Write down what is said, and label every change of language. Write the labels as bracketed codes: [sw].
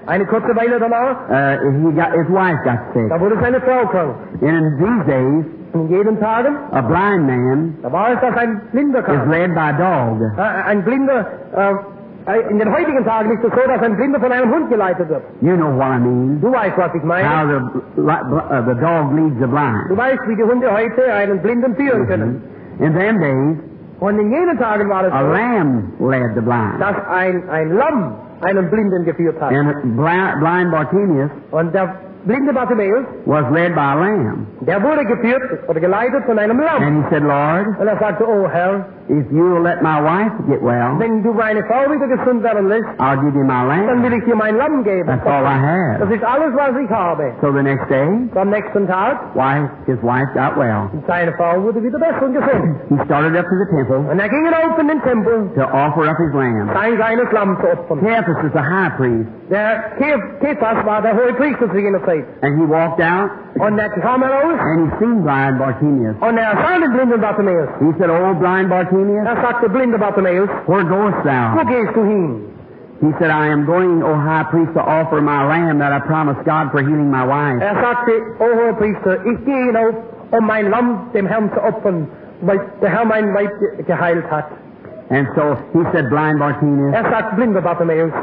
[de] Eine kurze Weile danach. [en] His wife got sick. [de] Da wurde seine Frau krank. [en] And in these days, [de] in jeden Tagen, [en] a blind man, [de] da war es, dass ein Blinder kam, [en] is led by a dog. [de] Ein Blinder, in den heutigen Tagen ist es so, dass ein Blinder von einem Hund geleitet wird. [en] You know what I mean. [de] Du weißt, was ich meine. [en] How the dog leads the blind. [de] Du weißt, wie die Hunde heute einen Blinden führen können. [en] In them days, [de] und in jenen Tagen war es [en] a lamb led the blind. [de] Dass ein Lamm einen Blinden geführt hat. [en] And blind Bartimaeus, [de] und der blinde Bartimaeus [en] was led by a lamb. [de] Der wurde geführt oder geleitet von einem Lamm. [en] And he said, Lord, [de] und sagte, oh Herr, [en] if you will let my wife get well, [de] wenn du meine Frau wieder gesund werden lässt, [en] I'll give you my lamb. [de] Dann will ich dir mein Lamm geben. [en] That's all I have. [de] Das ist alles, was ich habe. [en] So the next day, [de] am nächsten Tag, [en] his wife got well. [de] Seine Frau wurde wieder besser und gesund. [en] He started up to the temple. [de] Und ging in open den Tempel. [en] To offer up his lamb. [de] Sein kleines Lamm zu opfern. [en] Caiaphas was the high priest. [de] Der Caiaphas war der hohe Priester zu jener Zeit. [en] And he walked out. [de] Und kam heraus. [en] And he seen blind Bartimaeus. [de] Und sah den blinden Bartimaeus. [en] He said, oh, blind Bartimaeus. [de] Er sagte, blind Bartimaeus. [en] Where goest thou? [de] Wo gehst du hin? [en] He said, I am going, O high priest, to offer my lamb that I promised God for healing my wife. [de] Er sagte, O hohe Priester, ich gehe hinauf, um mein Lamm dem Herrn zu opfern, weil der Herr meine Weib geheilt hat. [en] And so he said, blind Bartimaeus, [de] er sagt, blind Bartimaeus,